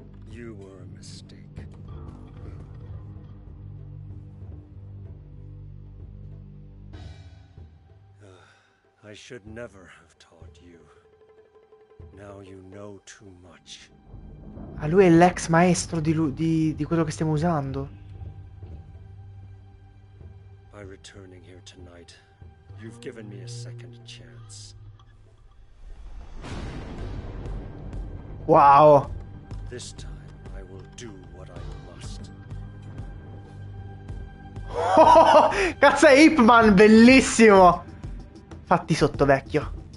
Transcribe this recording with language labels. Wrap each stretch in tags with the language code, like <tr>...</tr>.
<en>You were a mistake. I should never have taught you. Now you know too much.</en> <it>A lui è l'ex maestro di quello che stiamo usando.</it> <en>By returning here tonight, you've given me a second chance. Wow. This time I will do what I must.</en> <it>Cazzo, è Ip Man, bellissimo. Fatti sotto, vecchio.</it>